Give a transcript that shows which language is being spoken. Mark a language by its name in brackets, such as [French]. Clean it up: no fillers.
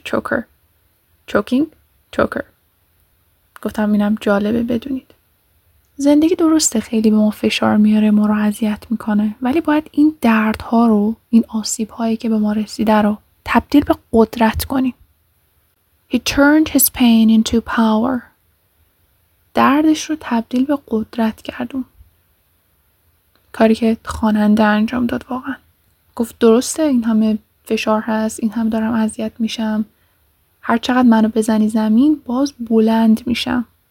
[Persian] چوکر. چوکینگ. چوکر. گفتم اینم جالبه بدونید. زندگی درسته خیلی به ما فشار میاره، ما رو اذیت میکنه، ولی باید این دردها رو، این آسیبهایی که به ما رسیده رو تبدیل به قدرت کنیم. [English] He turned his pain into power. [Persian] دردش رو تبدیل به قدرت کردم. کاری که خواننده انجام داد واقعا. گفت درسته این همه فشار هست، این همه دارم اذیت میشم. هر چقدر منو بزنی زمین باز بلند میشم.